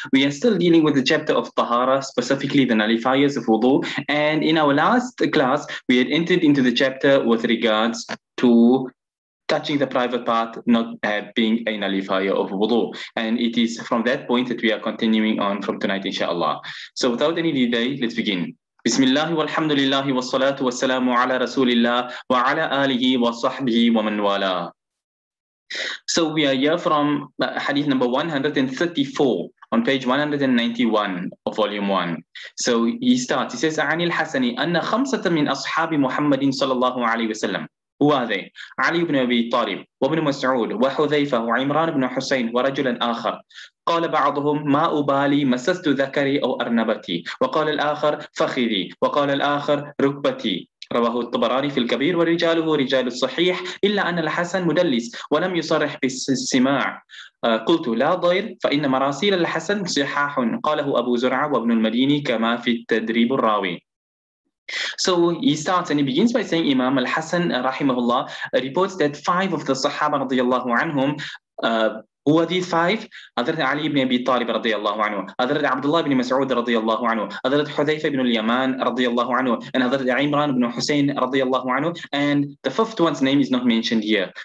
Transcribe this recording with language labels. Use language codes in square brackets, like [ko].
[en] We are still dealing with the chapter of Tahara, specifically the nullifiers of wudu. And in our last class, we had entered into the chapter with regards to touching the private part, not being a nullifier of wudu. And it is from that point that we are continuing on from tonight, inshallah. So without any delay, let's begin. [ar] بسم الله والحمد لله والصلاة والسلام على رسول الله وعلى آله وصحبه ومن والاه. [en] So we are here from hadith number 134 on page 191 of volume 1. So he starts, he says, [ar] عن الحسن أن خمسة من أصحاب محمد صلى الله عليه وسلم. [en] Who are they? [ar] علي بن أبي طالب وابن مسعود وحذيفة وعمران بن حسين ورجلا آخر. قال بعضهم ما أبالي مسست ذكري أو أرنبتي وقال الآخر فخذي وقال الآخر ركبتي رواه الطبراني في الكبير ورجاله رجال الصحيح إلا أن الحسن مدلس ولم يصرح بالسماع قلت لا ضير فإن مراسيل الحسن صحاح قاله أبو زرعة وابن المديني كما في التدريب الراوي. [en] So he starts and he begins by saying Imam al-Hasan rahimahullah reports that five of the Sahaba radiyallahu anhum, who are these five? Hazrat Ali ibn Abi Talib radiyallahu anhu, Hazrat Abdullah ibn Mas'ud radiyallahu anhu, Hazrat Hudhayfa ibn al-Yaman radiyallahu anhu, and Hazrat Imran ibn Hussein radiyallahu anhu, and the fifth one's name is not mentioned here.